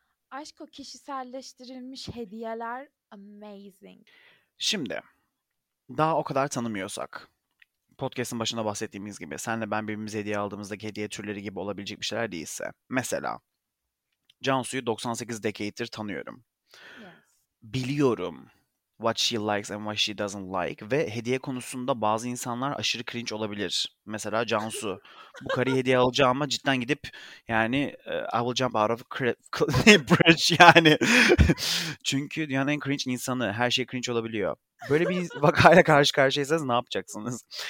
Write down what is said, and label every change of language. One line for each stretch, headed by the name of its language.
Turkish: Aşk, o kişiselleştirilmiş hediyeler amazing. Şimdi, daha o kadar tanımıyorsak, podcast'ın başında bahsettiğimiz gibi, senle ben birbirimize hediye aldığımızdaki hediye türleri gibi olabilecek bir şeyler değilse, mesela, Cansu'yu 98 decade'dir tanıyorum.
English: Yes.
Turkish: Biliyorum
English: what she likes and what she doesn't like.
Turkish: Ve hediye konusunda bazı insanlar aşırı cringe olabilir. Mesela Cansu. Bu kariye hediye alacağıma cidden gidip yani
English: I will jump out of the bridge
Turkish: yani. Çünkü dünyanın en cringe insanı. Her şey cringe olabiliyor. Böyle bir vakayla karşı karşıyaysanız ne yapacaksınız?